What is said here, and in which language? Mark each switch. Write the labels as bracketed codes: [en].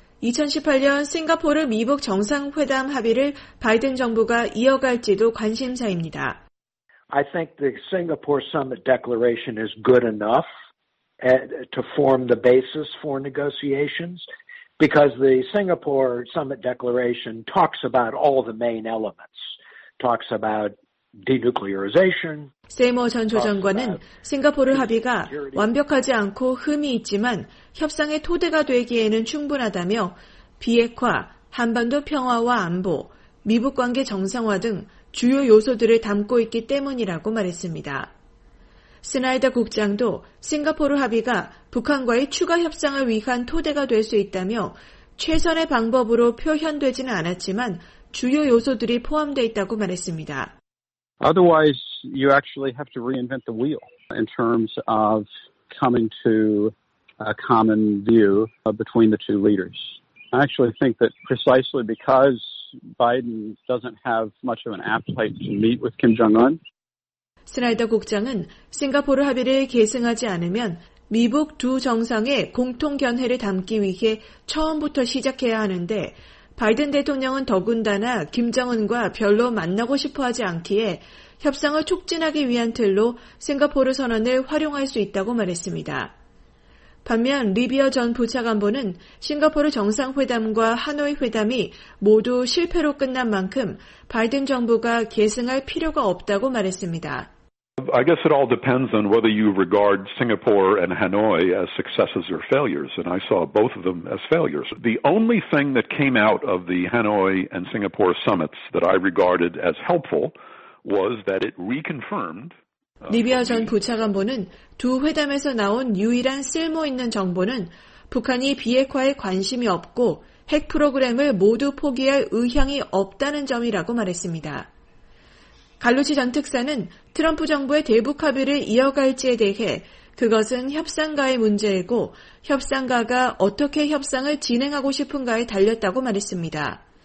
[ko] 2018년 싱가포르 미북 정상회담 합의를 바이든 정부가 이어갈지도 관심사입니다. [en] I think the Singapore summit declaration is good enough to form the basis for negotiations because the Singapore summit declaration talks about all the main elements. Talks about denuclearization. [ko] 세이머 전 조정관은 싱가포르 합의가 완벽하지 않고 흠이 있지만 협상의 토대가 되기에는 충분하다며 비핵화, 한반도 평화와 안보, 미북 관계 정상화 등 주요 요소들을 담고 있기 때문이라고 말했습니다. 스나이더 국장도 싱가포르 합의가 북한과의 추가 협상을 위한 토대가 될 수 있다며 최선의 방법으로 표현되지는 않았지만 주요 요소들이 포함되어 있다고 말했습니다. [en] Otherwise, you actually have to reinvent the wheel in terms of coming to a common view between the two leaders. I actually think that precisely because Biden doesn't have much of an appetite to meet with Kim Jong-un. [ko] 스나이더 국장은 싱가포르 합의를 계승하지 않으면 미북 두 정상의 공통 견해를 담기 위해 처음부터 시작해야 하는데 바이든 대통령은 더군다나 김정은과 별로 만나고 싶어하지 않기에 협상을 촉진하기 위한 틀로 싱가포르 선언을 활용할 수 있다고 말했습니다. 반면 리비아 전 부차관보는 싱가포르 정상회담과 하노이 회담이 모두 실패로 끝난 만큼 바이든 정부가 계승할 필요가 없다고 말했습니다. [en] I guess it all depends on whether you regard Singapore and Hanoi as successes or failures, and I saw both of them as failures. The only thing that came out of the Hanoi and Singapore summits that I regarded as helpful was that it reconfirmed. [ko] 리비아 전 부차관보는 두 회담에서 나온 유일한 쓸모 있는 정보는 북한이 비핵화에 관심이 없고 핵 프로그램을 모두 포기할 의향이 없다는 점이라고 말했습니다. 갈루치 전 특사는 트럼프 정부의 대북 합의를 이어갈지에 대해 그것은 협상가의 문제이고 협상가가 어떻게 협상을 진행하고 싶은가에 달렸다고 말했습니다.